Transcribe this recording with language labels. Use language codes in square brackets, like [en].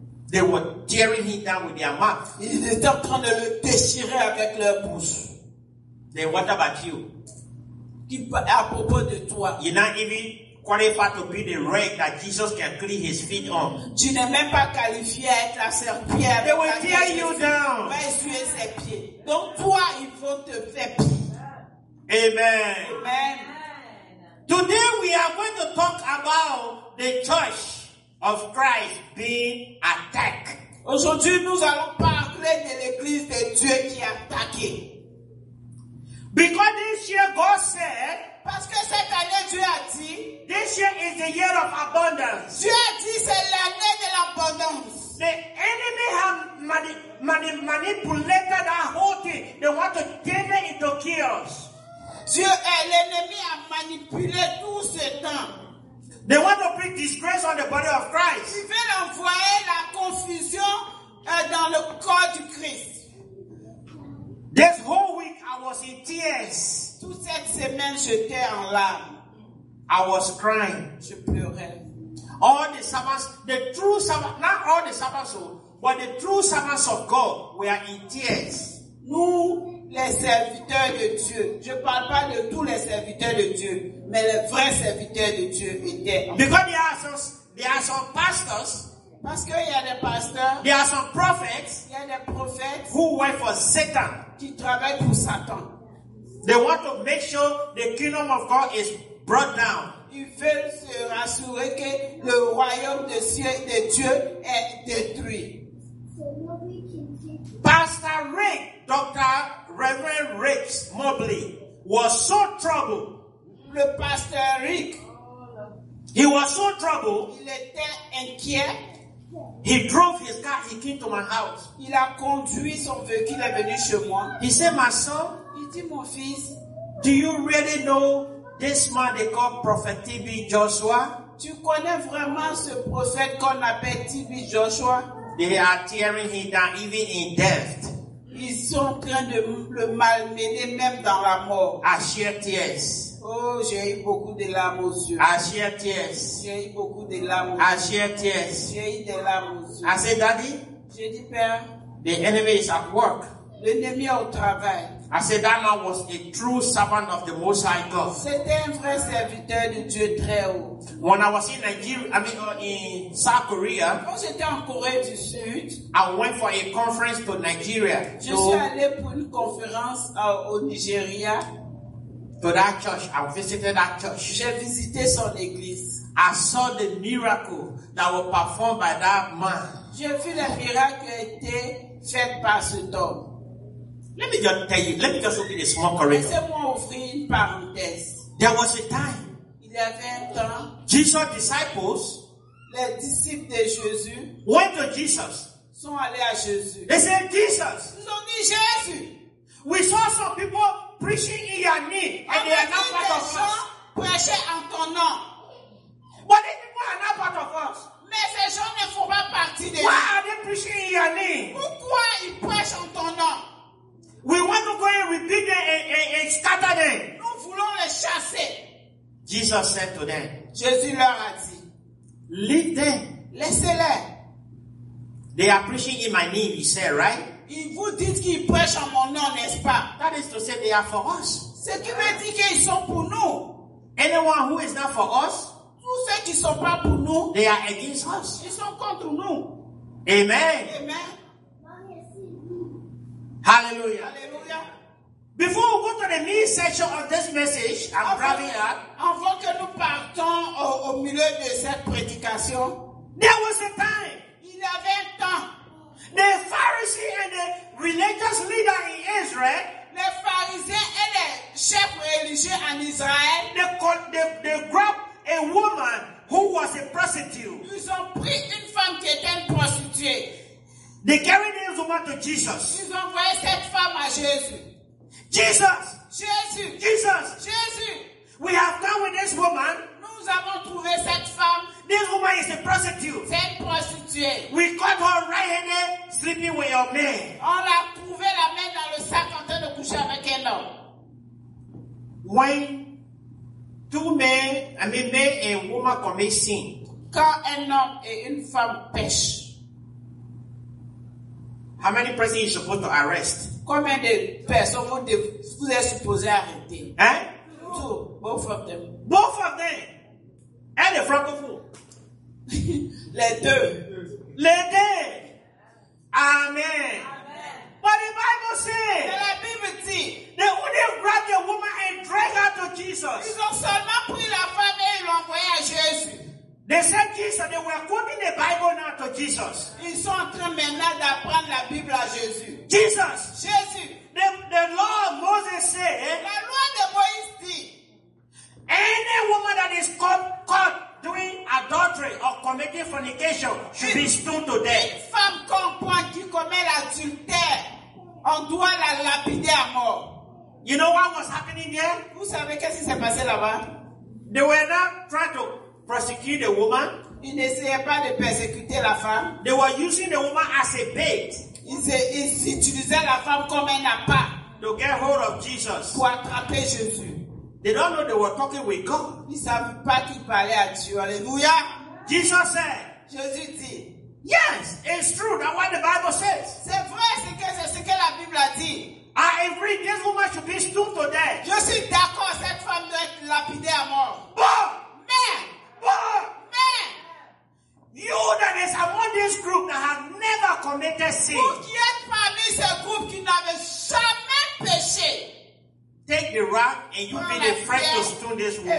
[en] They were tearing him down with their mouth. [fr] Ils étaient en train de le déchirer avec leur bouche. [en] Then what about you? [fr] À propos de toi. [en] You're not even qualified to be the rag that Jesus can clean his feet on. [fr] Tu n'es même pas qualifié à être la serpillière. [en] They will tear you down. [fr] Va essuyer ses pieds. Donc toi, il faut te faire pire. [en] Amen. [fr] Amen. [en] Today we are going to talk about the church of Christ being attacked. [fr] Aujourd'hui, nous allons parler de l'église de Dieu qui est attaquée. [en] Because this year God said, [fr] parce que cette année Dieu a dit, [en] this year is the year of abundance. [fr] Dieu a dit c'est l'année de l'abondance. [en] The enemy have manipulated that whole thing. They want to turn it into chaos. [fr] Dieu est l'ennemi a manipulé tout ce temps. [en] They want to bring disgrace on the body of Christ. [fr] Ils veulent envoyer la confusion dans le corps du Christ. [en] This whole week I was in tears. [fr] Toute cette semaine j'étais en larmes. [en] I was crying. [fr] Je pleurais. [en] All the servants, the true servants, not all the servants, but the true servants of God were in tears. [fr] Nous, les serviteurs de Dieu, je ne parle pas de tous les serviteurs de Dieu, mais les vrais serviteurs de Dieu étaient. [en] Because there are some pastors. [fr] Parce qu'il y a des pasteurs. [en] There are some prophets. [fr] Il y a des prophètes. [en] Who work for Satan. [fr] Qui travaillent pour Satan. [en] They want to make sure the kingdom of God is brought down. [fr] Ils veulent se rassurer que le royaume de ciel de Dieu est détruit. [en] Pastor Rick, Dr. Reverend Rick Mobley, was so troubled. [fr] Le pasteur Rick, [en] he was so troubled. [fr] Il était inquiet. [en] He drove his car. He came to my house. [fr] Il a conduit son véhicule. Il est venu chez moi. [en] He said, "My son." [fr] Il dit, mon fils. [en] Do you really know this man they call Prophet TB Joshua? [fr] Tu connais vraiment ce prophète qu'on appelle TB Joshua? [en] They are tearing him down even in death. [fr] Ils sont en train de le malmener même dans la mort. [en] I shed tears. [fr] Oh, j'ai eu beaucoup de larmes aux yeux. [en] I shed tears. [fr] J'ai eu beaucoup de larmes aux yeux. [en] I shed tears. [fr] J'ai eu des larmes aux yeux. [en] I said, Daddy. [fr] J'ai dit, Père. [en] The enemy is at work. [fr] L'ennemi est au travail. [en] I said, that man was a true servant of the Most High God. [fr] C'était un vrai serviteur de Dieu très haut. [en] When I was in Nigeria, in South Korea, [fr] quand j'étais en Corée du Sud, [en] I went for a conference to Nigeria. [fr] Je suis allé pour une conférence au Nigeria. [en] To that church, I visited that church. [fr] J'ai visité son église. [en] I saw the miracle that was performed by that man. [fr] J'ai vu le miracle qui a été fait par cet homme. [en] Let me just tell you. Let me just open a small corridor. [fr] Laissez-moi ouvrir une parenthèse. [en] There was a time. [fr] Il y avait un temps. [en] Jesus' disciples. [fr] Les disciples de Jésus. [en] Went to Jesus. [fr] Sont allés à Jésus. [en] They said Jesus. [fr] Ils ont dit Jésus. [en] We saw some people preaching in your name, and they are not part of us. [fr] Prêchaient en ton nom. [en] But these people are not part of us. [fr] Mais ces gens ne font pas partie de. [en] Why are they preaching in your name? [fr] Pourquoi ils prêchent en ton nom? [en] We want to go and rebuke them and scatter them. [fr] Nous voulons les chasser. [en] Jesus said to them. [fr] Jésus leur a dit. [en] Leave them. [fr] Laissez-les. [en] They are preaching in my name, he said, right? [fr] Ils vous disent qu'ils prêchent en mon nom, n'est-ce pas? [en] That is to say they are for us. [fr] Ce qui veut dire qu'ils sont pour nous. [en] Anyone who is not for us. [fr] Tous ceux qui ne sont pas pour nous. [en] They are against us. [fr] Ils sont contre nous. [en] Amen. [fr] Amen. [en] Hallelujah. [fr] Hallelujah. [en] Before we go to the main section of this message, I'm grabbing that. [fr] Avant que nous partons au milieu de cette prédication, [en] there was a time. [fr] Il y avait un temps. [en] The Pharisees and the religious leaders in Israel. [fr] Les pharisiens et les chefs religieux en Israël. [en] They grabbed a woman who was a prostitute. [fr] Ils ont pris une femme qui était une prostituée. [en] They carried this woman to Jesus. [fr] Ils ont envoyé cette femme à Jésus. [en] Jesus. [fr] Jésus. [en] Jesus. [fr] Jésus. [en] We have come with this woman. [fr] Nous avons trouvé cette femme. [en] This woman is a prostitute. [fr] C'est une prostituée. [en] We caught her right-handed sleeping with your man. [fr] On l'a trouvé la main dans le sac en train de coucher avec un homme. [en] When two men, I mean men and woman commit sin. [fr] Quand un homme et une femme pêchent. [en] How many persons you supposed to arrest? [fr] Combien de personnes vous êtes supposé arrêter? Hein? [en] Two. Both of them. Both of them. And the francophone. [fr] Les deux. Les deux. Amen. Amen. [en] But the Bible says. [fr] La Bible dit. [en] They only grabbed the woman and dragged her to Jesus. [fr] Ils ont seulement pris la femme et l'ont envoyée à Jésus. [en] They said Jesus, they were quoting the Bible now to Jesus. [fr] Ils sont en train maintenant d'apprendre la Bible à Jésus. [en] Jesus. [fr] Jésus. [en] The law of Moses said. [fr] La loi de Moïse dit. [en] Any woman that is caught doing adultery or committing fornication should be stoned to death. [fr] Une femme comprend qui commet l'adultère, on doit la lapider à mort. [en] You know what was happening here? [fr] Vous savez qu'est-ce qui s'est passé là-bas? [en] They were not trying to prosecute the woman. [fr] Ils n'essayaient pas de persécuter la femme. [en] They were using the woman as a bait. [fr] Ils utilisaient la femme comme un appât. [en] To get hold of Jesus. [fr] Pour attraper Jésus. [en] They don't know they were talking with God. [fr] Ils savent pas qu'ils parlaient à Dieu. Alléluia. [en] Jesus said. [fr] Jésus dit. [en] Yes, it's true. That's what the Bible says. [fr] C'est vrai, c'est ce que la Bible a dit. [en] I agree. This woman should be stoned to death. [fr] Je suis d'accord. Cette femme doit être lapidée à mort. [en] But, man, but, man, you that is among this group that have never committed sin. [fr] Vous qui êtes parmi ce groupe qui n'avait jamais péché. [en] Take the rock and you be the first to stone this woman.